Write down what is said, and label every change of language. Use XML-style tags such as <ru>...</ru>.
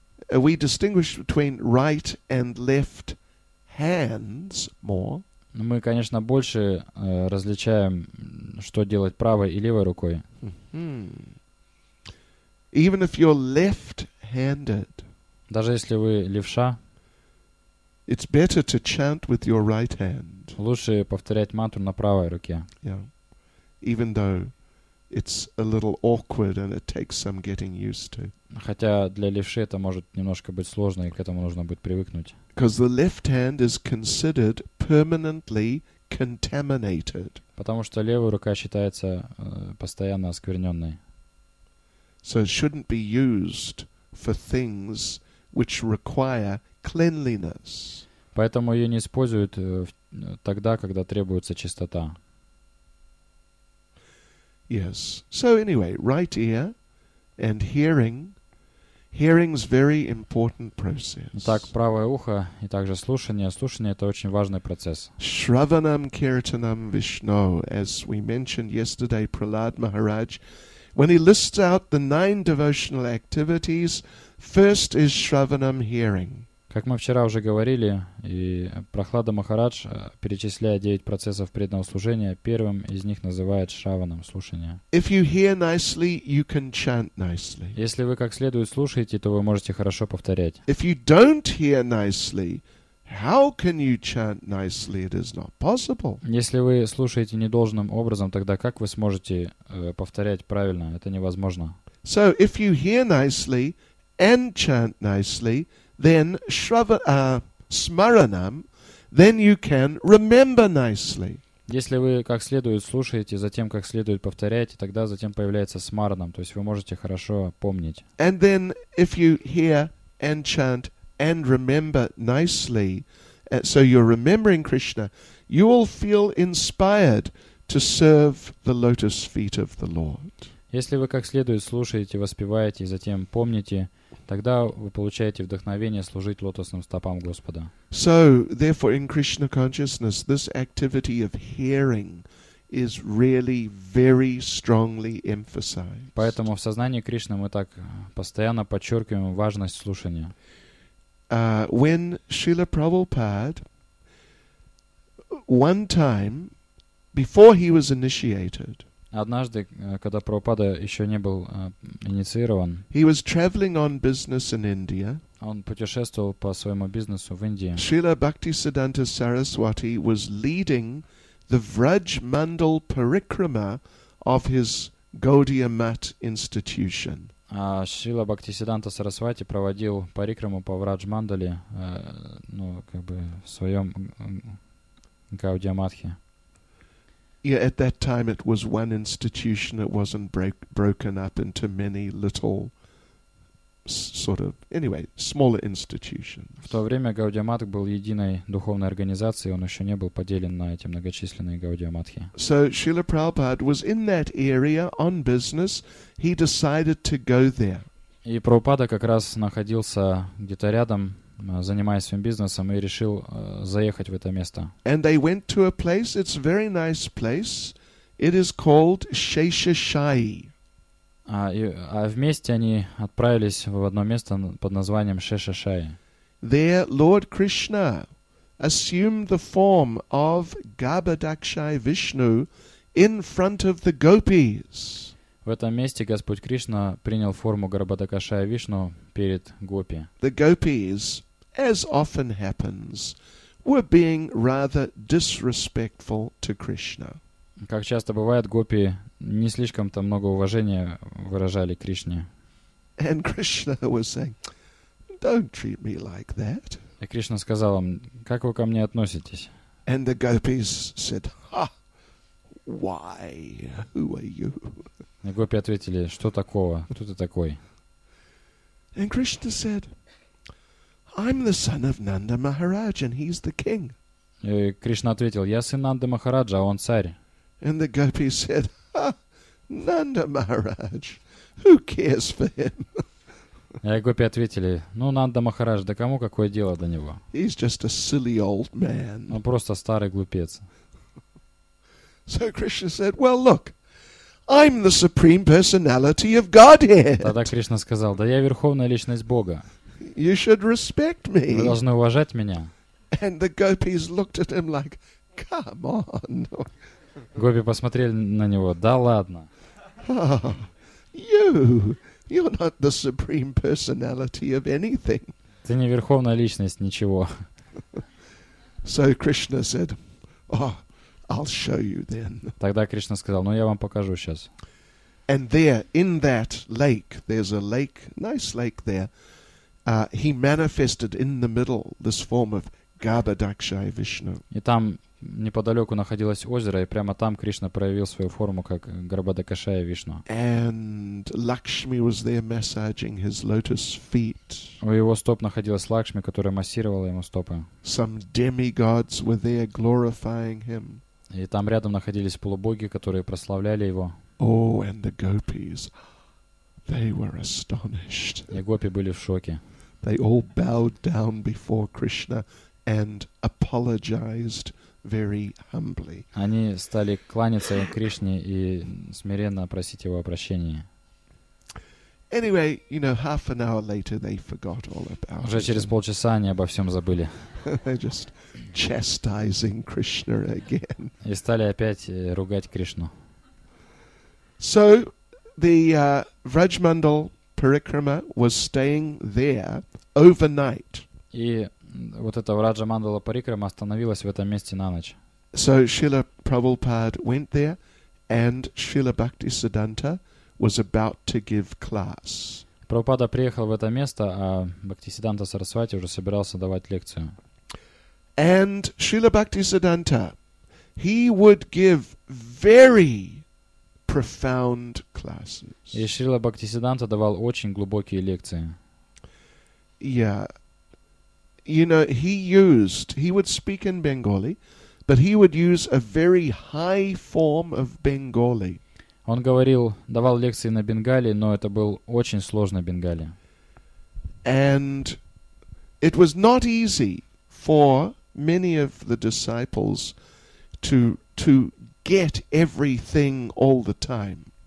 <en>We distinguish between right and left hands more.</en> <ru>Мы, конечно, больше различаем, что делать правой и левой рукой.</ru> <en>Even if you're left-handed.</en> <ru>Даже если вы левша.</ru> <en>It's better to chant with your right hand.</en> <ru>Лучше повторять мантру на правой руке.</ru> <en>Yeah. Even though it's a little awkward and it takes some getting used to.</en> <ru>Хотя для левши это может немножко быть сложно, и к этому нужно будет привыкнуть.</ru> <en>Because the left hand is considered permanently contaminated.</en> <ru>Потому что левая рука считается постоянно оскверненной.</ru> <en>So it shouldn't be used for things which require cleanliness.</en> <ru>Поэтому ее не используют тогда, когда требуется чистота.</ru> <en>Yes. So anyway, right ear and hearing. Hearing's very important process.</en> <ru>Так, правое ухо и также слушание. Слушание это очень важный процесс.</ru> <en>Shravanam Kirtanam Vishnu, as we mentioned yesterday, Prahlad Maharaj When he lists out the 9 devotional activities, first is Shravanam hearing.</en> <ru>Как мы вчера уже говорили, и Прохлада Махарадж, перечисляя 9 процессов преданного служения, первым из них называет Шраванам, слушание.</ru> <en>If you hear nicely, you can chant nicely.</en> <ru>Если вы как следует слушаете, то вы можете хорошо повторять.</ru> <en>If you don't hear nicely, how can you chant nicely? It is not possible.</en> <ru>Если вы слушаете недолжным образом, тогда как вы сможете повторять правильно? Это невозможно.</ru> <en>So if you hear nicely and chant nicely, then smaranam, then you can remember nicely.</en> <ru>Если вы как следует слушаете, затем как следует повторяете, тогда затем появляется смаранам, то есть вы можете хорошо помнить.</ru> <en>And then if you hear and chant and remember nicely, so you're remembering Krishna, you will feel inspired to serve the lotus feet of the Lord.</en> <ru>Если вы как следует слушаете, воспеваете и затем помните, тогда вы получаете вдохновение служить лотосным стопам Господа.</ru> <en>So, therefore, in Krishna consciousness, this activity of hearing is really very strongly emphasized.</en> <ru>Поэтому в сознании Кришны мы так постоянно подчеркиваем важность слушания.</ru> <en>When Srila Prabhupada, one time, before he was initiated,</en> <ru>однажды, когда Прабхупада еще не был инициирован,</ru> <en>he was traveling on business in India.</en> <ru>Он путешествовал по своему бизнесу в Индии.</ru> <en>Srila Bhaktisiddhanta Saraswati was leading the Vraj Mandal Parikrama of his Gaudiya Math institution.</en> <ru>Шрила Бхактисиддханта Сарасвати проводил парикраму по Врадж Мандале, ну, как бы, в своем Гаудия Матхе.</ru> <en>Yeah, at that time it was one institution, it wasn't broken up into many little sort of, anyway, smaller institutions.</en> <ru>В то время Гаудия Матх был единой духовной организацией, он еще не был поделен на эти многочисленные Гаудия Матхи.</ru> <en>So Srila Prabhupada was in that area on business, he decided to go there.</en> <ru>И Прабхупада как раз находился где-то рядом, занимаясь своим бизнесом, и решил заехать в это место.</ru> <en>And they went to a place, it's a very nice place, it is called Sheshashayi.</en> <ru>А вместе они отправились в одно место под названием Шешашайи.</ru> <en>There Lord Krishna assumed the form of Gabadakshai Vishnu in front of the gopis.</en> <ru>В этом месте Господь Кришна принял форму Гарбадакшая Вишну перед гопи.</ru> <en>The gopis, as often happens, were being rather disrespectful to Krishna.</en> <ru>Как часто бывает, гопи не слишком-то много уважения выражали Кришне.</ru> <en>And Krishna was saying, "Don't treat me like that."</en> <ru>И Кришна сказал им, как вы ко мне относитесь?</ru> <en>And the gopis said, "Ha, why? Who are you?"</en> <ru>И гопи ответили, что такого? Кто ты такой?</ru> <en>And Krishna said, "I'm the son of Nanda Maharaj, and he's the king."</en> <ru>И Кришна ответил, я сын Нанды Махараджа, а он царь.</ru> <en>And the gopi said, "Ha, Nanda Maharaj, who cares for him?"</en> <ru>И гопи ответили, ну, Нанда Махарадж, да кому какое дело до него?</ru> <en>He's just a silly old man.</en> <ru>Он просто старый глупец.</ru> <en>So Krishna said, "Well, look, I'm the supreme personality of Godhead."</en> <ru>Тогда Кришна сказал, да я верховная личность Бога.</ru> <en>You should respect me.</en> <ru>Вы должны уважать меня.</ru> <en>And the gopis looked at him like, "Come on."</en> <ru>Гопи посмотрели на него. Да ладно.</ru> <en>You're not the supreme personality of anything.</en> <ru>Ты не верховная личность ничего.</ru> <en>So Krishna said, "Oh, I'll show you then."</en> <ru>Тогда Кришна сказал, ну я вам покажу сейчас.</ru> <en>And there, in that lake, there's a lake, nice lake there. He manifested in the middle this form of Gabadakshai Vishnu.</en> <ru>И там неподалеку находилось озеро, и прямо там Кришна проявил свою форму как Гарбадакшая Вишну.</ru> <en>And Lakshmi was there massaging his lotus feet.</en> <ru>У его стоп находилась Лакшми, которая массировала ему стопы.</ru> <en>Some demigods were there glorifying him.</en> <ru>И там рядом находились полубоги, которые прославляли его.</ru> <en>Oh, and the gopis, they were astonished.</en> <ru>И гопи были в шоке.</ru> <en>They all bowed down before Krishna and apologized very humbly.</en> <ru>Они стали кланяться Кришне и смиренно просить его о прощении.</ru> <en>Anyway, you know, half an hour later they forgot all about it.</en> <ru>Уже через полчаса они обо всем забыли.</ru> <en>They're just chastising Krishna again.</en> <ru>И стали опять ругать Кришну.</ru> <en>So the Vrajmandal Parikrama was staying there overnight.</en> <ru>И вот эта Враджамандала Парикрама остановилась в этом месте на ночь.</ru> <en>So Srila Prabhupada went there and Srila Bhakti Siddhanta was about to give class.</en> <ru>Прабхупада приехал в это место, а Бхактисиддханта Сарасвати уже собирался давать лекцию.</ru> <en>And Srila Bhaktisiddhanta, he would give very profound classes.</en> <ru>И Шрила Бхактисиддханта давал очень глубокие лекции.</ru> <en>Yeah. You know, he would speak in Bengali, but he would use a very high form of Bengali.</en> <ru>Он говорил, давал лекции на Бенгали, но это был очень сложный Бенгали.</ru> <en>And it was not easy for many of the disciples to get everything all the time.</en>